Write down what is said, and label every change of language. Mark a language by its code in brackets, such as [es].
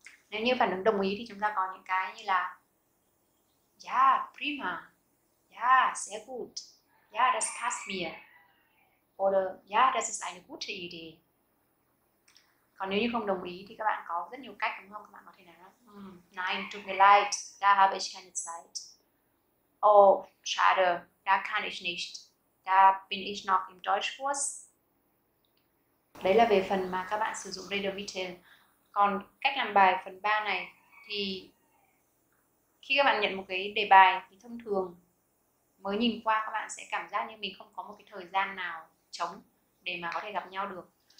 [vi] Nếu như phản ứng đồng ý thì chúng ta có những cái như là [de] yeah, prima, yeah, sehr gut, yeah, das passt mir, or yeah, das ist eine gute Idee. [vi] Còn nếu như không đồng ý thì các bạn có rất nhiều cách, đúng không? Các bạn có thể nói [de] nein, tut mir leid, da habe ich keine Zeit. Oh, schade, da kann ich nicht. Da bin ich noch im Deutschkurs. [vi] Đấy là về phần mà các bạn sử dụng Redemittel. Còn cách làm bài phần 3 này thì khi các bạn nhận một cái đề bài thì thông thường mới nhìn qua các bạn sẽ cảm giác như mình không có một cái thời gian nào trống để mà có thể gặp nhau được.